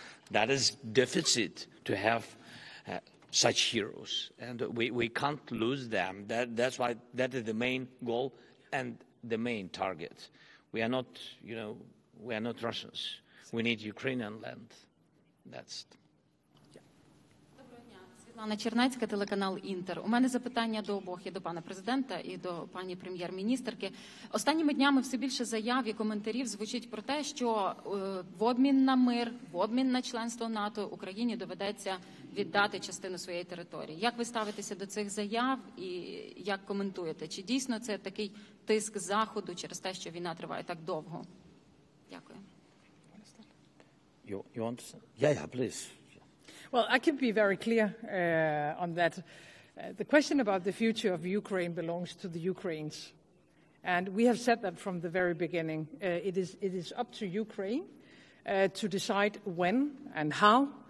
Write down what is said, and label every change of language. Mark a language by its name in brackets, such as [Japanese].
[English] That is deficit to have such heroes, and we can't lose them. That's why that is the main goal and the main target. We are not, you know, we are not Russians. We need Ukrainian land. That's it. [Ukrainian] Пане Чернецьке, телеканал «Інтер». У мене запитання до обох, і до пана президента, і до пані прем'єр-міністерки. Останніми днями все більше заяв і коментарів звучить про те, що в обмін на мир, в обмін на членство НАТО Україні доведеться віддати частину своєї території. Як ви ставитеся до цих заяв і як коментуєте? Чи дійсно це такий тиск Заходу через те, що війна триває так довго? Дякую. [English] You want to say? Yeah, please. Well, I can be very clear on that. The question about the future of Ukraine belongs to the Ukrainians. And we have said that from the very beginning. It is up to Ukraine to decide when and how.